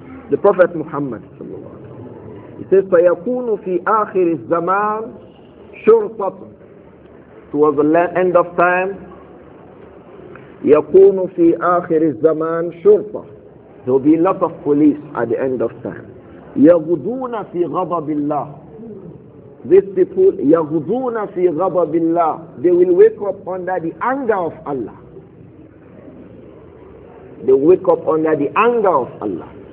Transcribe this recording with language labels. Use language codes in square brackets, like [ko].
[en] The Prophet Muhammad he says, [ar] فَيَكُونُ فِي آخِرِ الزَّمَانِ شُرْطَةٌ. [en] Towards the end of time, [ar] يَكُونُ فِي آخِرِ الزَّمَانِ شُرْطَةٌ. [en] There will be a lot of police at the end of time. [ar] يَغُدُونَ فِي غَضَبِ اللَّهِ. [en] These people, [ar] يَغُدُونَ فِي غَضَبِ اللَّهِ. [en] They will wake up under the anger of Allah. They wake up under the anger of Allah.